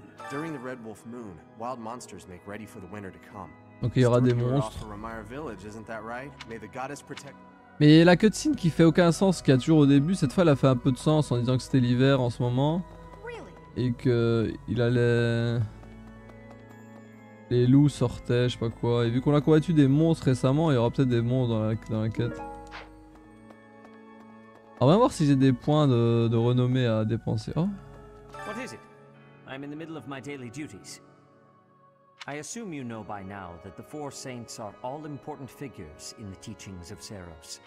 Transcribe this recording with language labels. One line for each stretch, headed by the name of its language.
English: During the Red Wolf Moon, wild monsters make ready for the winter to come.
French: Donc il y aura des monstres. Mais la cutscene qui fait aucun sens, qui a toujours au début, cette fois elle a fait un peu de sens en disant que c'était l'hiver en ce moment. Et que il allait. Les loups sortaient, je sais pas quoi. Et vu qu'on a combattu des monstres récemment, il y aura peut-être des monstres dans la quête. Alors, on va voir si j'ai des points de renommée à dépenser. Oh!
English: What is it? I'm in the middle of my daily duties. I assume you know by now that the four saints are all important figures in the teachings of Seros.